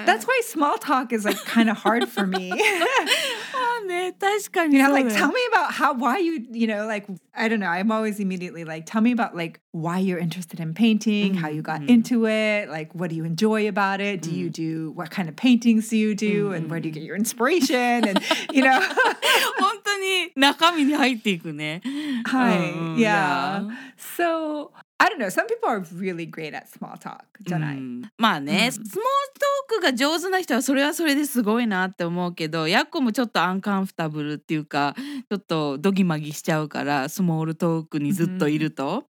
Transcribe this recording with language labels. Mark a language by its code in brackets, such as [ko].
[en] That's why small talk is like kind of hard for me. You know, like, tell me about I don't know, I'm always immediately like, tell me about like why you're interested in painting, how you got into it, like, what do you enjoy about it? Do you do, what kind of paintings do you do? And where do you get your inspiration? And, you know. [ja] 本当に中身に入っていくね。はい。 [en] Yeah. So... I don't know. Some people are really great at small talk, janai. [ja] まあね、small talk が上手な人はそれはそれですごいなって思うけど、ヤッコもちょっとアンカンフタブルっていうか、ちょっとドギマギしちゃうから、small talk にずっといると。